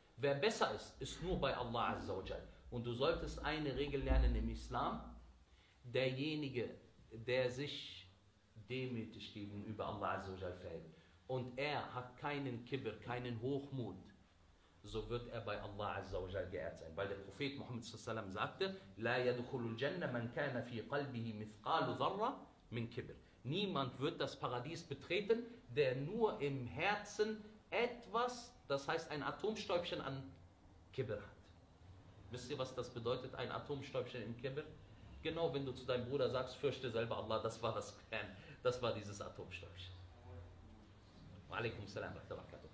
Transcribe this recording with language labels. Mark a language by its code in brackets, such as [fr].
[de] Wer besser ist, ist nur bei Allah Azza wa Jal. Und du solltest eine Regel lernen im Islam, derjenige, der sich demütig gegenüber Allah Azza wa Jal verhält und er hat keinen Kibir, keinen Hochmut, so wird er bei Allah Azza wa Jal geehrt sein. Weil der Prophet Muhammad Sallallahu Alaihi Wasallam sagte, [ar] لا يدخل الجنة من كان في قلبه مثقال ذرة من كبر. [de] Niemand wird das Paradies betreten, der nur im Herzen etwas, das heißt ein Atomstäubchen an Kibir hat. Wisst ihr, was das bedeutet, ein Atomstäubchen im Kibir? Genau, wenn du zu deinem Bruder sagst, fürchte selber Allah, das war das Kern, das war dieses Atomstäubchen. Alaikum salam wa rahmatullah.